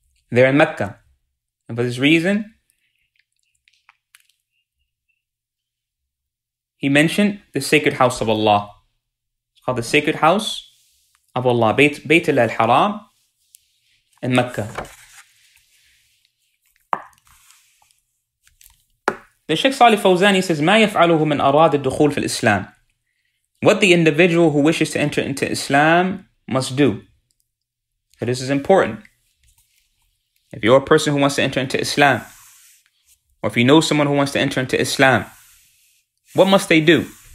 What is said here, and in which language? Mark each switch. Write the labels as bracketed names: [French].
[English] They're in Mecca. And for this reason, he mentioned the sacred house of Allah. It's called the sacred house of Allah, Bayt al-Haram in Mecca. The Sheikh Salih Fawzani says, [Arabic] مَا يَفْعَلُهُ مَنْ أَرَادَ الدُّخُولِ فِي الْإِسْلَامِ. [English] What the individual who wishes to enter into Islam must do. So this is important. If you're a person who wants to enter into Islam, or if you know someone who wants to enter into Islam, what must they do?